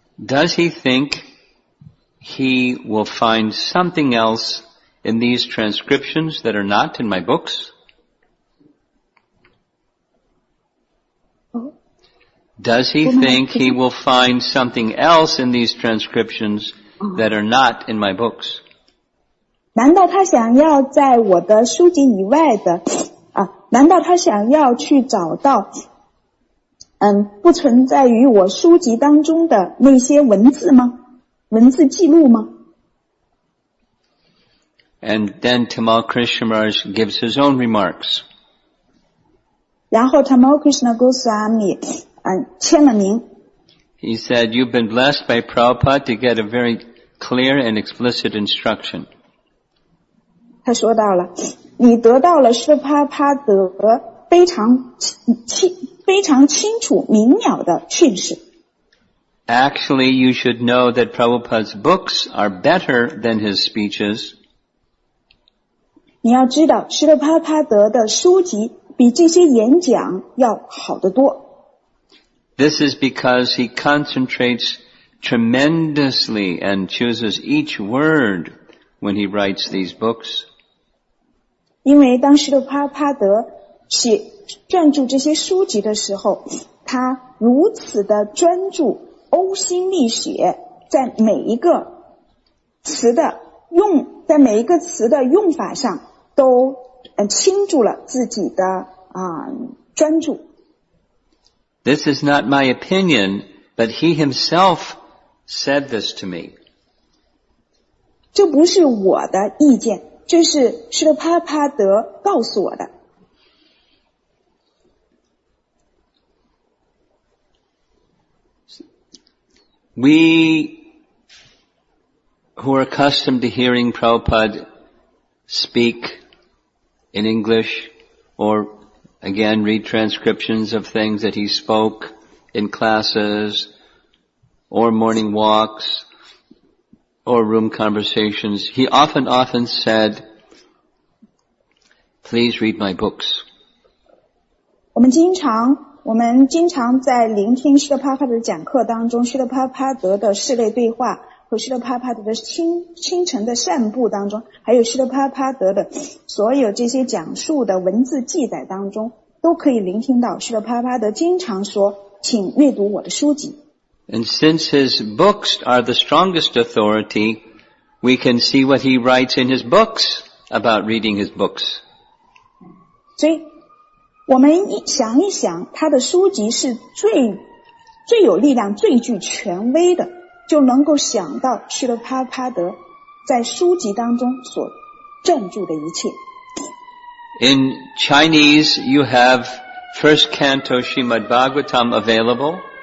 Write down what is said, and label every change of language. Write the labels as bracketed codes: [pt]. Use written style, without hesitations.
[en] Does he think he will find something else in these transcriptions that are not in my books? Does he think he will find something else in these transcriptions that are not in my books? [zh] 难道他想要在我的书籍以外的难道他想要去找到不存在于我书籍当中的那些文字吗？文字记录吗？ [en] And then Tamal Krishnamurti gives his own remarks. [zh] 然后 Tamal Krishna Goswami 签了名。 [en] He said, you've been blessed by Prabhupada to get a very clear and explicit instruction. [zh] 他说到了，你得到了舒帕帕德非常非常清楚明了的训示。 [en] Actually, you should know that Prabhupada's books are better than his speeches. [zh] 你要知道，施特帕帕德的书籍比这些演讲要好得多。 [en] This is because he concentrates tremendously and chooses each word when he writes these books. [zh] 因为当施特帕帕德写专注这些书籍的时候，他如此的专注，呕心沥血，在每一个词的用，在每一个词的用法上都倾注了自己的专注。 [en] This is not my opinion, but he himself said this to me. [zh] 这不是我的意见，这是施特帕帕德告诉我的。 [en] We who are accustomed to hearing Prabhupada speak in English or again read transcriptions of things that he spoke in classes or morning walks or room conversations, he often said, please read my books. [zh] 我们经常在聆听施特帕帕德的讲课当中，施特帕帕德的室内对话和施特帕帕德的清晨的散步当中，还有施特帕帕德的所有这些讲述的文字记载当中，都可以聆听到施特帕帕德经常说，请阅读我的书籍。 [en] And since his books are the strongest authority, we can see what he writes in his books about reading his books. [zh] 所以我们想一想，他的书籍是最有力量、最具权威的，就能够想到释勒帕帕德在书籍当中所证住的一切。 [en] In Chinese, you have First Canto Srimad Bhagavatam available.